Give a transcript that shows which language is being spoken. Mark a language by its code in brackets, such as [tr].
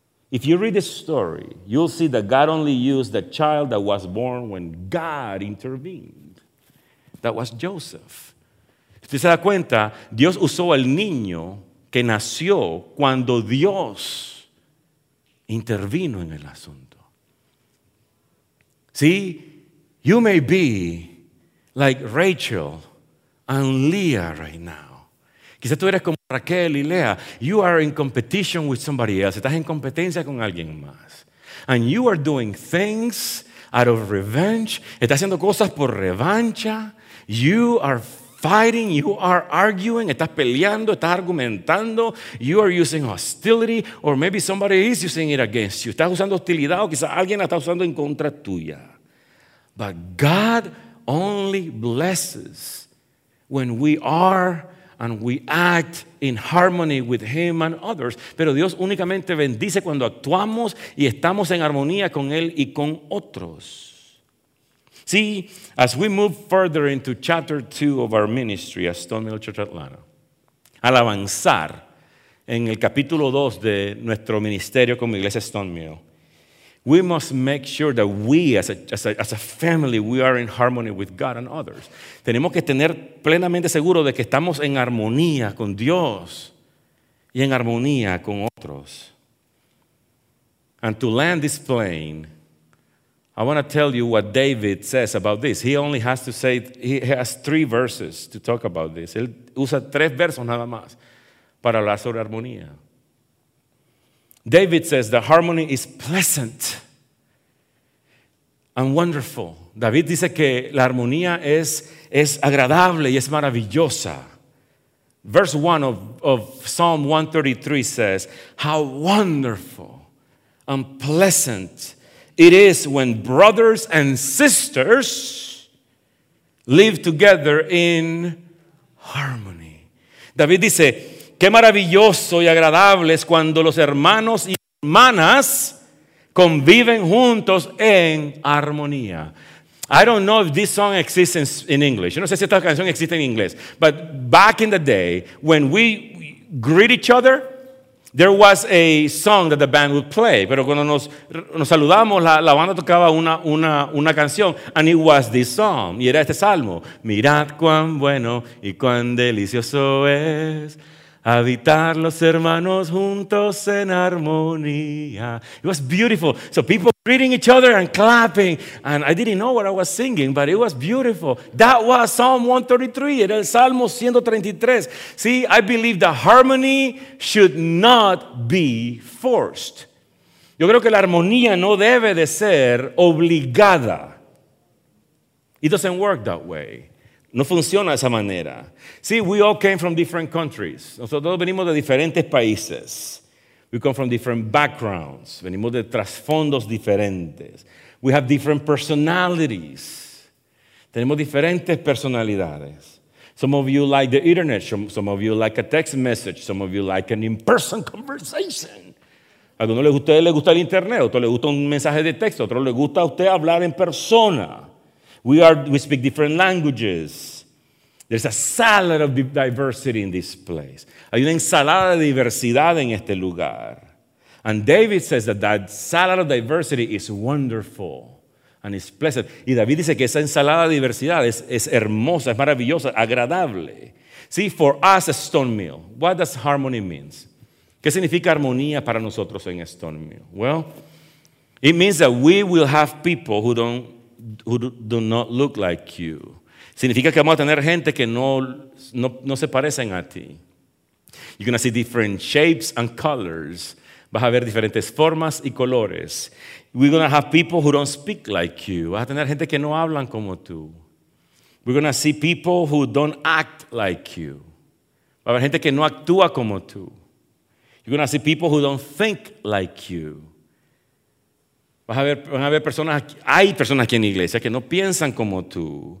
[en] If you read this story, you'll see that God only used the child that was born when God intervened. That was Joseph. [es] Si usted se da cuenta, Dios usó el niño que nació cuando Dios intervino en el asunto. [en] See, you may be like Rachel and Leah right now. [es] Quizás tú eres como Raquel y Lea. [en] You are in competition with somebody else. [es] Estás en competencia con alguien más. [en] And you are doing things out of revenge. [es] Estás haciendo cosas por revancha. [en] You are fighting. You are arguing. [es] Estás peleando. Estás argumentando. [en] You are using hostility. Or maybe somebody is using it against you. [es] Estás usando hostilidad o quizás alguien la está usando en contra tuya. [en] But God only blesses when we are and we act in harmony with him and others. [es] Pero Dios únicamente bendice cuando actuamos y estamos en armonía con él y con otros. [en] See, as we move further into chapter 2 of our ministry at Stone Mill Church Atlanta, [es] al avanzar en el capítulo 2 de nuestro ministerio como iglesia Stone Mill, [en] we must make sure that we, as a family, we are in harmony with God and others. [es] Tenemos que tener plenamente seguro de que estamos en armonía con Dios y en armonía con otros. [en] And to land this plane, I want to tell you what David says about this. He only has to say, he has 3 verses to talk about this. [es] Él usa 3 versos nada más para hablar sobre armonía. [en] David says the harmony is pleasant and wonderful. [es] David dice que la armonía es agradable y es maravillosa. [en] Verse 1 of Psalm 133 says, how wonderful and pleasant it is when brothers and sisters live together in harmony. [es] David dice, qué maravilloso y agradable es cuando los hermanos y hermanas conviven juntos en armonía. [en] I don't know if this song exists in English. [es] Yo no sé si esta canción existe en inglés. [en] But back in the day, when we greet each other, there was a song that the band would play. [es] Pero cuando nos saludamos, la banda tocaba una canción. [en] And it was this song. [es] Y era este salmo. Mirad cuán bueno y cuán delicioso es habitar los hermanos juntos en armonía. [en] It was beautiful. So people greeting each other and clapping. And I didn't know what I was singing, but it was beautiful. That was Psalm 133. [es] Era el Salmo 133. [en] See, I believe that harmony should not be forced. [es] Yo creo que la armonía no debe de ser obligada. [en] It doesn't work that way. [es] No funciona de esa manera. [en] See, we all came from different countries. [es] Nosotros todos venimos de diferentes países. [en] We come from different backgrounds. [es] Venimos de trasfondos diferentes. [en] We have different personalities. [es] Tenemos diferentes personalidades. [en] Some of you like the internet. Some of you like a text message. Some of you like an in-person conversation. [es] A algunos de ustedes les gusta el internet. A otros les gusta un mensaje de texto. A otros les gusta a usted hablar en persona. [en] We speak different languages. There's a salad of diversity in this place. [es] Hay una ensalada de diversidad en este lugar. [en] And David says that salad of diversity is wonderful and it's pleasant. [es] Y David dice que esa ensalada de diversidad es hermosa, es maravillosa, agradable. [en] See, for us at Stone Mill, what does harmony mean? [es] ¿Qué significa armonía para nosotros en Stone Mill? [en] Well, it means that we will have people who do not look like you. [es] Significa que vamos a tener gente que no se parecen a ti. [en] You're going to see different shapes and colors. [es] Vas a ver diferentes formas y colores. [en] We're going to have people who don't speak like you. [es] Vas a tener gente que no hablan como tú. [en] We're going to see people who don't act like you. [es] Va a haber gente que no actúa como tú. [en] You're going to see people who don't think like you. [es] Van a ver personas, hay personas aquí en la iglesia que no piensan como tú.